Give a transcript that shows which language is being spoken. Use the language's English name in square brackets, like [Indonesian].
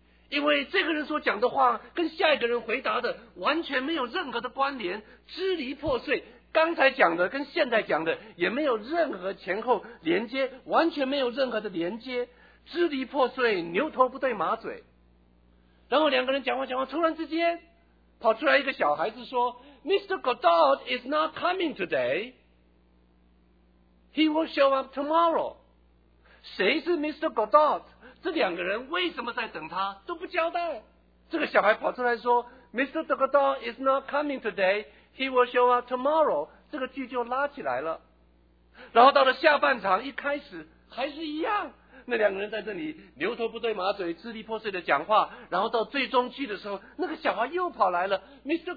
[Chinese] 因为这个人所讲的话跟下一个人回答的完全没有任何的关联，支离破碎，刚才讲的跟现在讲的也没有任何前后连接，完全没有任何的连接，支离破碎，牛头不对马嘴。然后两个人讲话讲话，突然之间跑出来一个小孩子说 Mr. [English] Godot is not coming today, he will show up tomorrow。 [Chinese] 谁是 Mr. Godot？这两个人为什么在等他都不交代。这个小孩跑出来说 Mr. [English] Godot is not coming today, he will show up tomorrow, [Chinese] 这个剧就拉起来了。然后到了下半场一开始还是一样，那两个人在这里牛头不对马嘴，支离破碎的讲话，然后到最终剧的时候，那个小孩又跑来了 Mr.